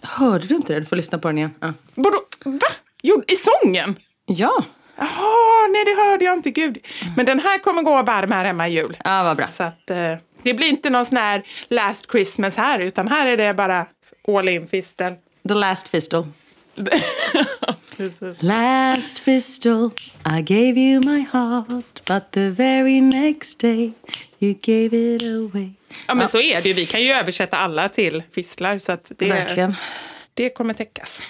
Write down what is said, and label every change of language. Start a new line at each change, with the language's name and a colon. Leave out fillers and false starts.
Swedish: Hörde du inte det? Du får lyssna på den igen. Vadå? Va? Jo, i sången? Ja. Jaha, nej det hörde jag inte, gud. Men den här kommer gå varm här hemma i jul. Ja, vad bra. Så att det blir inte någon sån här last Christmas här, utan här är det bara all in fistel.
English: The last fistel. Last fistel, I gave you my heart, but the very next day you gave it away.
Swedish: Ja, men så är det ju. Vi kan ju översätta alla till fistlar, så att det kommer täckas.